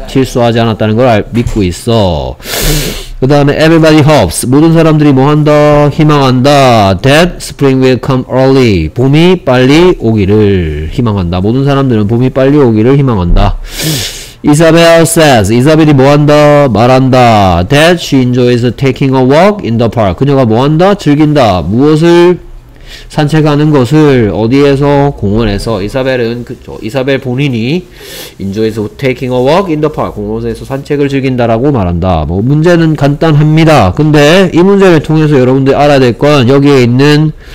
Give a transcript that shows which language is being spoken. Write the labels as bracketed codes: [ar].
[ko] 실수하지 않았다는 걸 믿고 있어. 그 다음에 [en] everybody hopes [ko] 모든 사람들이 뭐한다? 희망한다. [en] That spring will come early [ko] 봄이 빨리 오기를 희망한다. 모든 사람들은 봄이 빨리 오기를 희망한다. [en] Isabel says [ko] 이사벨이 뭐한다? 말한다. [en] That she enjoys taking a walk in the park [ko] 그녀가 뭐한다? 즐긴다. 무엇을? 산책하는 것을 어디에서 공원에서 이사벨은 그쵸 이사벨 본인이 [en] enjoys taking a walk in the park [ko] 공원에서 산책을 즐긴다라고 말한다 뭐 문제는 간단합니다 근데 이 문제를 통해서 여러분들 알아야 될 건 여기에 있는